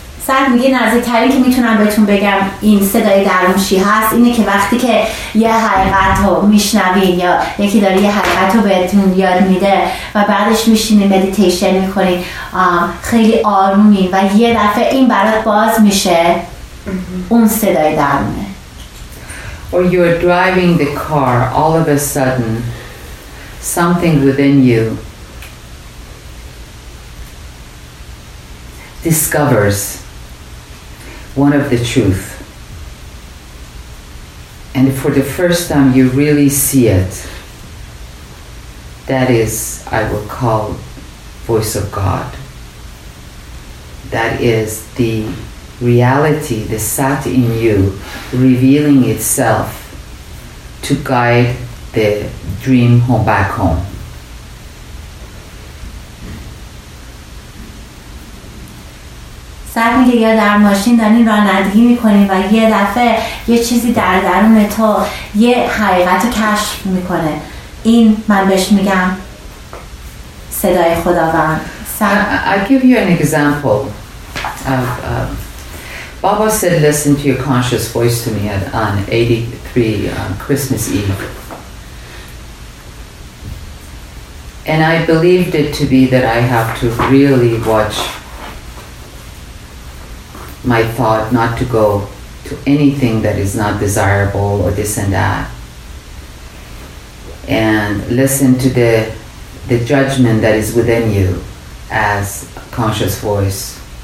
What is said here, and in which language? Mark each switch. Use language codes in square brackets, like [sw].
[fa] بعد میگه نزدیکتری که میتونم بهتون بگم این صدای درون چی هست، اینه که وقتی که یه حقیقت رو میشنوید یا یکی داره یه حقیقت رو بهتون یاد میده و بعدش میشینی مدیتیشن میکنی، خیلی آرومی و یه دفعه این برات باز میشه، اون صدای درونه. [en] Or you're driving the car, all of a sudden something within you discovers one of the truth, and for the first time you really see it, that is, I will call, voice of God. That is the reality, the Sat in you, revealing itself to guide the dream home back home. [fa] سر میگه یا در ماشین دارین رانندگی میکنین و یه دفعه یه چیزی در درون تو یه حقیقت رو کشف میکنه، این من بهش میگم صدای خداوند. [en] I'll give you an example of, Baba said listen to your conscious voice to me at, on 83 Christmas Eve, and I believed it to be that I have to really watch my thought not to go to anything that is not desirable or this and that, and listen to the judgment that is within you as a conscious voice.